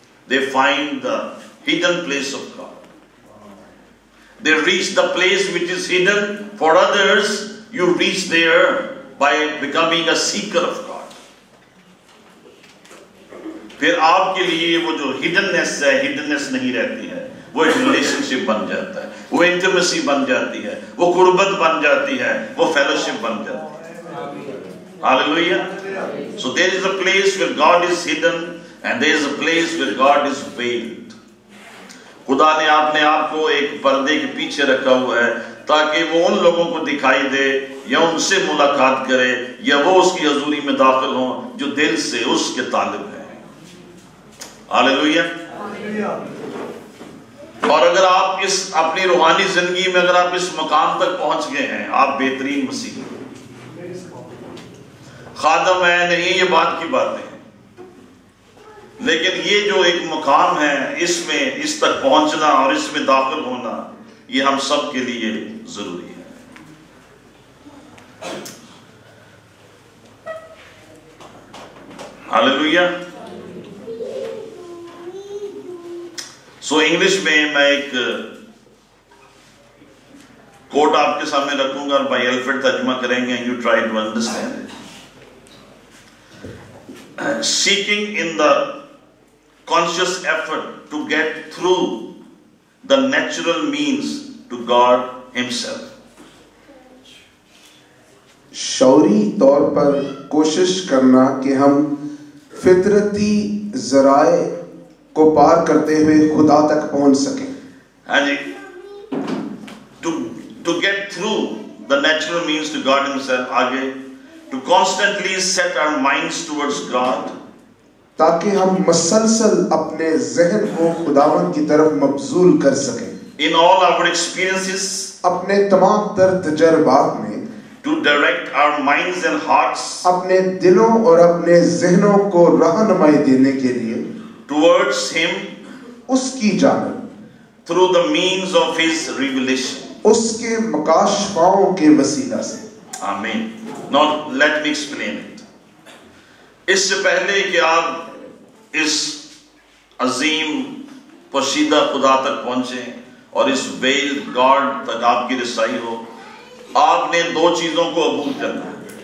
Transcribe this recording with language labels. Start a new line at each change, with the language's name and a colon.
English: they find the hidden place of God,
Urdu: they reach the place which is hidden for others, you reach there by becoming a seeker of God. پھر آپ کے لیے وہ جو ہڈننیس ہے، ہڈننیس نہیں رہتی ہے، وہ ایک ریلیشن شپ بن جاتا ہے، وہ انٹیمیسی بن جاتی ہے، وہ قربت بن جاتی ہے، وہ فیلوشپ بن جاتی ہے۔ Hallelujah.
English: So there is a place where God is hidden and there is a place where God is veiled.
Urdu: خدا نے آپ کو ایک پردے کے پیچھے رکھا ہوا ہے تاکہ وہ ان لوگوں کو دکھائی دے یا ان سے ملاقات کرے یا وہ اس کی حضوری میں داخل ہوں جو دل سے اس کے طالب ہیں. ہللویہ. اور اگر آپ اس اپنی روحانی زندگی میں اگر آپ اس مقام تک پہنچ گئے ہیں آپ بہترین مسیحی خادم ہیں. نہیں یہ بات کی باتیں, لیکن یہ جو ایک مقام ہے اس میں اس تک پہنچنا اور اس میں داخل ہونا یہ ہم سب کے لیے ضروری ہے. ہللویہ. سو انگلش میں میں ایک کوٹ آپ کے سامنے رکھوں گا اور بھائی ایلفرڈ ترجمہ کریں گے.
English: You try to understand. Seeking in the conscious effort to get through the natural means to God himself.
Urdu: شعوری طور پر کوشش کرنا کہ ہم فطرتی ذرائع کو پار کرتے ہوئے خدا تک پہنچ سکیں. ہاں جی.
English: To get through the natural means to God himself. آگے to constantly set our minds towards God.
Urdu: تاکہ ہم مسلسل اپنے ذہن کو خداون کی طرف مبذول کر سکیں.
English: In all our experiences.
Urdu: اپنے تمام تر تجربات میں.
English: To direct our minds and hearts.
Urdu: اپنے دلوں اور اپنے ذہنوں کو رہنمائی دینے کے لیے.
English: Towards him.
Urdu: اس کی جانب.
English: Through the means of his revelation.
Urdu: اس کے مکاشفاؤں کے وسیلہ سے.
English: آمین. Now let me explain it.
Urdu: اس سے پہلے کہ آپ اس عظیم پوشیدہ خدا تک پہنچیں اور اس ویل گاڈ تک آپ کی رسائی ہو, آپ نے دو چیزوں کو عبور کرنا ہے.